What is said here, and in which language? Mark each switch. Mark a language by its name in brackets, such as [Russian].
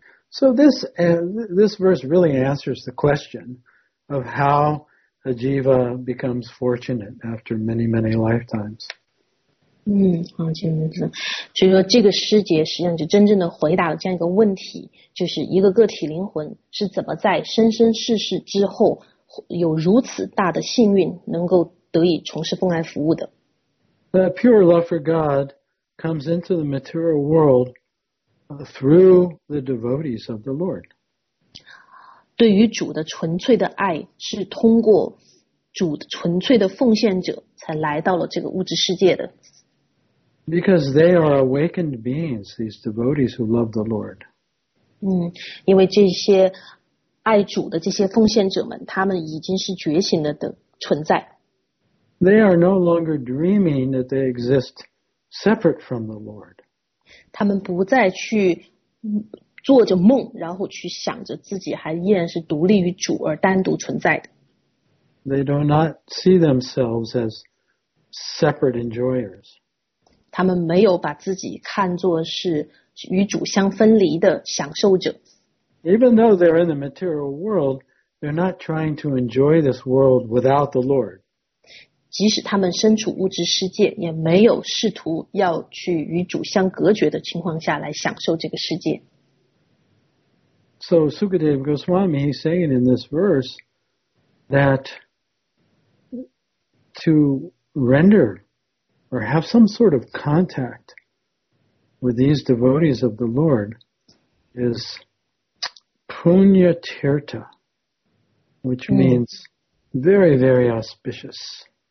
[English] So this verse really answers the question of how a jiva becomes fortunate after many, many lifetimes. [Chinese] 好，请问是，所以说这个师节实际上就真正的回答了这样一个问题，就是一个个体灵魂是怎么在生生世世之后有如此大的幸运，能够得以从事奉爱服务的。 [English] The pure love for God comes into the material world through the devotees of the Lord. [Chinese] 对于主的纯粹的爱是通过主的纯粹的奉献者才来到了这个物质世界的。 [English] Because they are awakened beings, these devotees who love the Lord. [Chinese] 因为这些爱主的这些奉献者们，他们已经是觉醒了的存在。 [English] They are no longer dreaming that they exist separate from the Lord. [Chinese] 他们不再去做着梦，然后去想着自己还依然是独立于主而单独存在的。 [English] They do not see themselves as separate enjoyers. [Chinese] 他们没有把自己看作是与主相分离的享受者。 [English] Even though they're in the material world, they're not trying to enjoy this world without the Lord. [Chinese] 即使他们身处物质世界，也没有试图要去与主相隔绝的情况下来享受这个世界。 [English] So Sukadeva Goswami is saying in this verse that to renderOr have some sort of contact with these devotees of the Lord is punya tirtha, which means very, very auspicious.